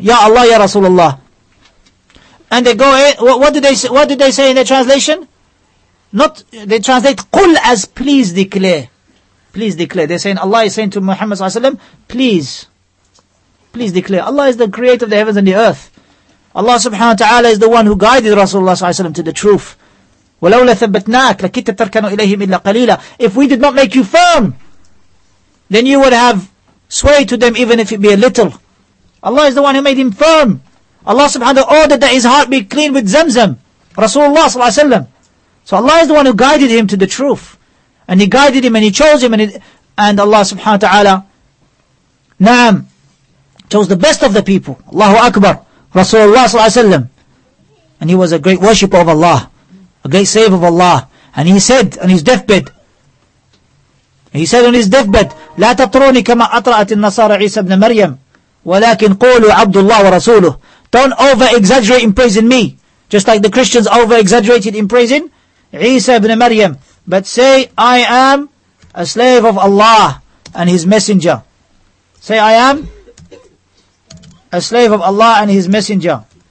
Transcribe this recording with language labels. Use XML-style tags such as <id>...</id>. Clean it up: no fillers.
<en>Ya Allah, Ya Rasulullah. And they go, what did they say in their translation? They translate, Qul as please declare. Please declare. They're saying, Allah is saying to Muhammad sallallahu alaihi wasallam, please. Please declare, Allah is the creator of the heavens and the earth. Allah subhanahu wa ta'ala is the one who guided Rasulullah sallallahu alaihi wasallam to the truth.</en> <ar>ولولا ثبتناك لكنت تركن إليهم إلا قليلا.</ar> <en>If we did not make you firm, then you would have swayed to them even if it be a little. Allah is the one who made him firm. Allah subhanahu wa ta'ala ordered that his heart be clean with zamzam. Rasulullah sallallahu alayhi wa sallam. So Allah is the one who guided him to the truth. And he guided him and he chose him. And Allah subhanahu wa ta'ala, na'am, chose the best of the people. Allahu Akbar. Rasulullah sallallahu alayhi wa sallam. And he was a great worshipper of Allah. A great slave of Allah. And he said on his deathbed,</en> <ar>لا تطروني كما أطرأت النصارى عيسى بن مريم ولكن قولوا عبد الله ورسوله.</ar> <en>Don't over-exaggerate in praising me, just like the Christians over-exaggerated in praising Isa ibn Maryam. But say, I am a slave of Allah and his messenger. Say, I am a slave of Allah and his messenger.</en>